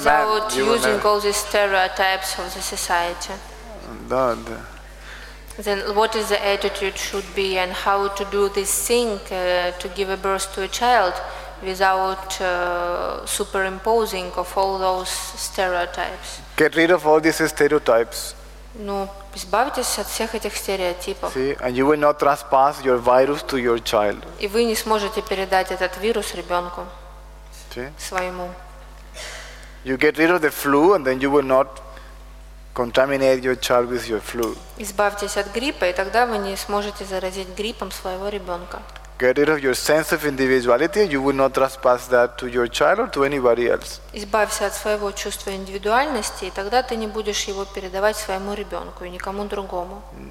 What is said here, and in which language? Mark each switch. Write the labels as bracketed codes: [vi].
[en] Without using all these stereotypes of the society. Don't. Then what is the attitude should be and how to do this thing to give a birth to a child without superimposing of all those stereotypes. Get rid of all these stereotypes. [ru] Ну, избавьтесь от всех этих стереотипов. [en] See, and you will not transpass your virus to your child. [ru] И вы не сможете передать этот вирус ребенку своему. [en] You get rid of the flu and then you will not contaminate your child with your flu. [ru] Избавьтесь от гриппа, и тогда вы не сможете заразить гриппом своего ребенка. [en] Get rid of your sense of individuality, you will not transpass that to your child or to anybody else. [ru] Избавься от своего чувства индивидуальности, и тогда ты не будешь его передавать своему ребенку и никому другому.